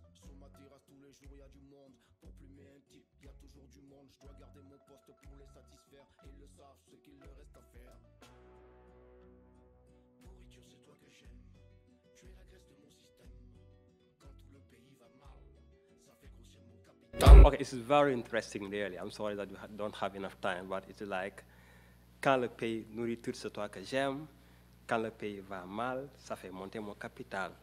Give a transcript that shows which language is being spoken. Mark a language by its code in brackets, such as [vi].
[fr] Sous ma terrasse, tous les jours, y'a du monde. Pour plumer un type, y'a toujours du monde. Je dois garder mon poste pour les satisfaire. Ils le savent, ce qu'il leur reste à faire. Nourriture, c'est toi que j'aime. Tu es la graisse de mon système. Quand tout le pays va mal, ça fait grossir mon capital. [en] Okay, it's very interesting, really. I'm sorry that we don't have enough time, but it's like, [fr] quand le pays nourriture, c'est toi que j'aime. Quand le pays va mal, ça fait monter mon capital.